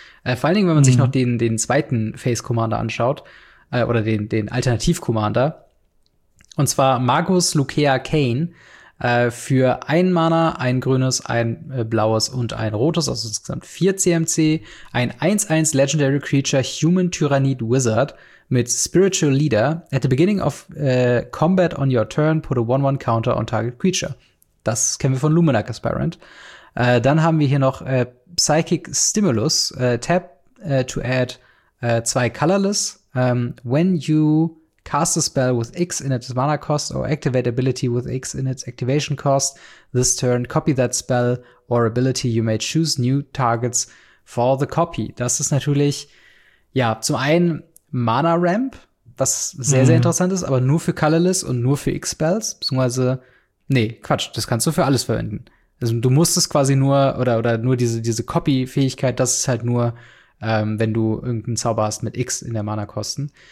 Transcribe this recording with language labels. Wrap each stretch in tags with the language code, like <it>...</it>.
<de>Vor allen Dingen, wenn man sich noch den zweiten Face Commander anschaut oder den Alternativ Commander. Und zwar Magus Lucea Kane für 1 Mana, 1 grünes, 1 blaues und 1 rotes, also insgesamt 4 CMC, ein 1/1 Legendary Creature Human Tyrannid Wizard mit Spiritual Leader.</de> <en>At the beginning of combat on your turn, put a 1/1 counter on target creature.</en> <de>Das kennen wir von Luminarch Aspirant. Dann haben wir hier noch Psychic Stimulus.</de> <en>Tap to add 2 colorless. When you cast a spell with X in its mana cost or activate ability with X in its activation cost. This turn, copy that spell or ability. You may choose new targets for the copy.</en> <de>Das ist natürlich, ja, zum einen Mana Ramp, was sehr, sehr interessant ist, aber nur für Colorless und nur für X-Spells, beziehungsweise, nee, Quatsch, das kannst du für alles verwenden. Also du musst es quasi nur, oder nur diese Copy-Fähigkeit, das ist halt nur, wenn du irgendeinen Zauber hast mit X in der Mana-Kosten.</de>